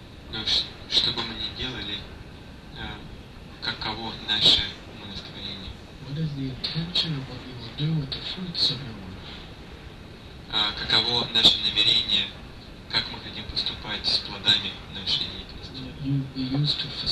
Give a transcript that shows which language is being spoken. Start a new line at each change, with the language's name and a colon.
Russian: Но что бы мы ни делали, каково наше умонастроение?
English: What is the intention of what we will do with the fruits of your work?
Russian: Каково наше намерение, как мы хотим поступать с плодами нашей деятельности.